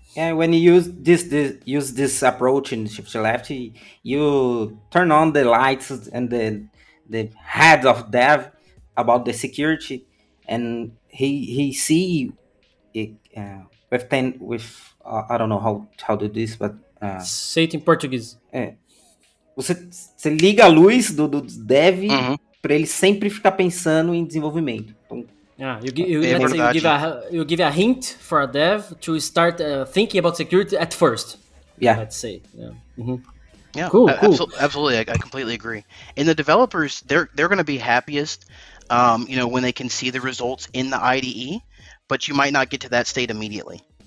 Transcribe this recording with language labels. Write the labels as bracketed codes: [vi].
[en] Yeah, when you use this approach in shift left, you turn on the lights and the head of dev about the security, and he see it I don't know how to do this, but say it in Portuguese. [pt] É, você liga a luz do dev para ele sempre ficar pensando em desenvolvimento. [en] You give a hint for a dev to start thinking about security at first. Yeah. Let's say. Yeah. Mm-hmm. Yeah. Cool. Absolutely. I completely agree. And the developers, they're going to be happiest, when they can see the results in the IDE, but you might not get to that state immediately.